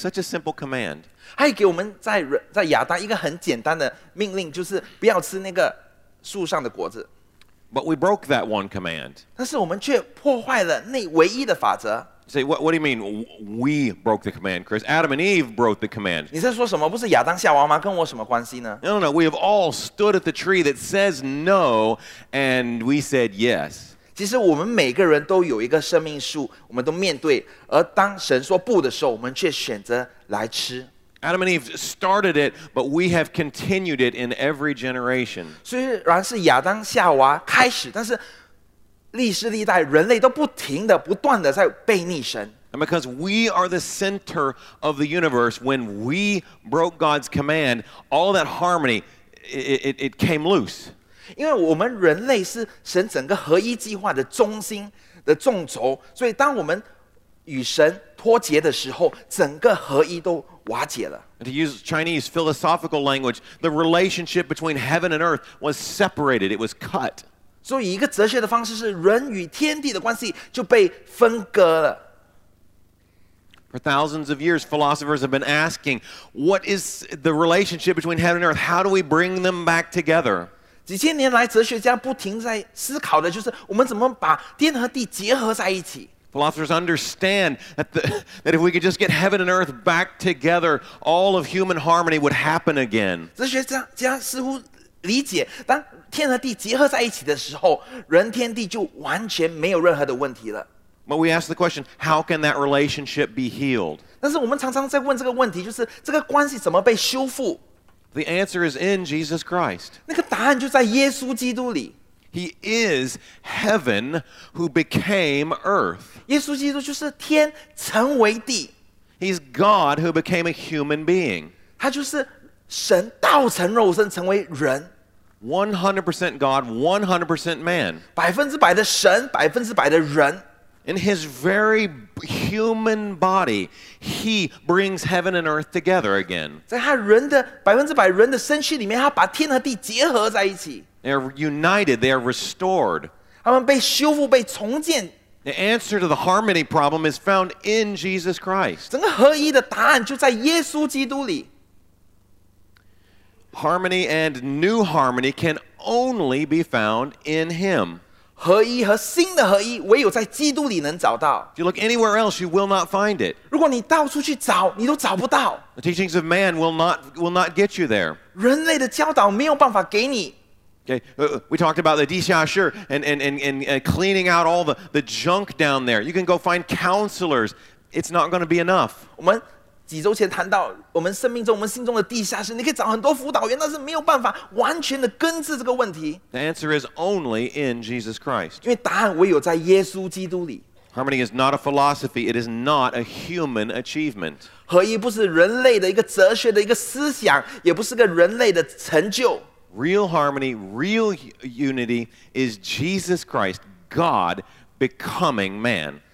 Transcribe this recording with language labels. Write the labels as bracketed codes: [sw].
[en] Such a simple command. [zh] 还给我们在亚当一个很简单的命令，就是不要吃那个树上的果子。 [en] But we broke that one command. [zh] 但是我们却破坏了那唯一的法则。 [en] Say what do you mean? We broke the command, Chris. Adam and Eve broke the command. [zh] 你在说什么？不是亚当夏娃吗？跟我什么关系呢 [en] ？No. We have all stood at the tree that says no, and we said yes. [zh] 其实我们每个人都有一个生命树，我们都面对。而当神说不的时候，我们却选择来吃。 [en] Adam and Eve started it, but we have continued it in every generation. [zh] 虽然是亚当夏娃开始，但是历世历代人类都不停的、不断的在悖逆神。 [en] And because we are the center of the universe, when we broke God's command, all that harmony, it came loose. [zh] 因为我们人类是神整个合一计划的中心的众轴，所以当我们与神脱节的时候，整个合一都瓦解了。 [en] And to use Chinese philosophical language, the relationship between heaven and earth was separated. It was cut. [zh] 所以一个哲学的方式是人与天地的关系就被分割了。 [en] For thousands of years, philosophers have been asking, what is the relationship between heaven and earth? How do we bring them back together? [zh] 几千年来哲学家不停在思考的就是我们怎么把天和地结合在一起。 [en] Philosophers understand that if we could just get heaven and earth back together, all of human harmony would happen again. [zh] 哲学家似乎理解，当天和地结合在一起的时候，人天地就完全没有任何的问题了。 [en] But we ask the question, how can that relationship be healed? [zh] 但是我们常常在问这个问题，就是这个关系怎么被修复？ [en] The answer is in Jesus Christ. [zh] 那个答案就在耶稣基督里。 [en] He is heaven who became earth. [zh] 耶稣基督就是天成为地。 [en] He's God who became a human being. [zh] 他就是神道成肉身成为人。 [en] 100% God, 100% man. [zh] 百分之百的神，百分之百的人。 [en] In his very human body, he brings heaven and earth together again. [zh] 在他人的百分之百人的身躯里面，他把天和地结合在一起。 [en] They are united. They are restored. [zh] 他们被修复，被重建。 [en] The answer to the harmony problem is found in Jesus Christ. [zh] 整个合一的答案就在耶稣基督里。 [en] Harmony and new harmony can only be found in him. [zh] 合一和新的合一，唯有在基督里能找到。 [en] If you look anywhere else, you will not find it. [zh] 如果你到处去找，你都找不到。 [en] The teachings of man will not get you there. [zh] 人类的教导没有办法给你。 [en] Okay, we talked about the dishasher and cleaning out all the junk down there. You can go find counselors. It's not going to be enough. [zh] 我们几周前谈到我们生命中我们心中的地下室，你可以找很多辅导员，但是没有办法完全的根治这个问题。 [en] The answer is only in Jesus Christ. [zh] 因为答案唯有在耶稣基督里。 [en] Harmony is not a philosophy. It is not a human achievement. [zh] 合一不是人类的一个哲学的一个思想，也不是个人类的成就。 [en] Real harmony, real unity is Jesus Christ, God becoming man.